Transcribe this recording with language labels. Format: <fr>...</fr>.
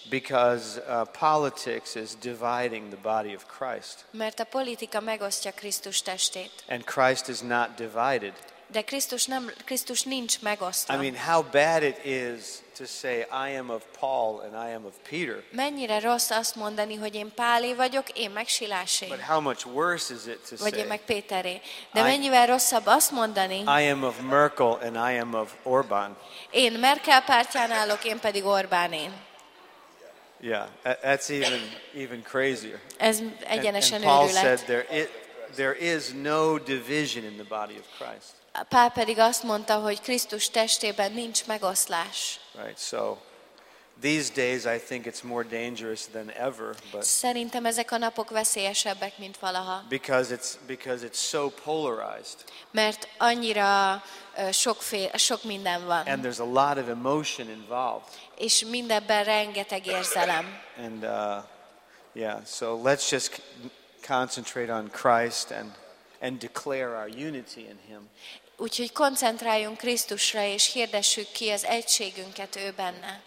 <en>Because politics is dividing the body of Christ.</en> <hu>Mert a politika megosztja Krisztus testét.</hu> <en>And Christ is not divided.</en> <hu>De Krisztus nincs megosztva.</hu> <en>I mean, how bad it is to say I am of Paul and I am of Peter.</en> <hu>Mennyire rossz azt mondani, hogy én Pálé vagyok, én meg Silásé.</hu> <en>But how much worse is it to say?</en> <hu>Vagy én meg Péteré. De mennyivel rosszabb azt mondani?</hu> <en>I am of Merkel and I am of Orbán.</en> <hu>Én Merkel pártján állok, én pedig Orbánén.</hu> <en>Yeah, that's even crazier.</en> <hu>Ez egyenesen őrület.</hu> <en>And Paul said there is no division in the body of Christ.</en> <hu>Pál pedig azt mondta, hogy Krisztus testében nincs megoszlás.</hu> <en>Right, so these days I think it's more dangerous than ever, but</en> <hu>szerintem ezek a napok veszélyesebbek, mint valaha.</hu> <en>Because it's so polarized.</en> <hu>Mert annyira sok minden van.</hu> <en>And there's a lot of emotion involved.</en> <hu>És mindebben rengeteg érzelem.</hu> <en>And so let's just concentrate on Christ and declare our unity in him.</en> <hu>Úgyhogy koncentráljunk Krisztusra, és hirdessük ki az egységünket ő benne.</hu>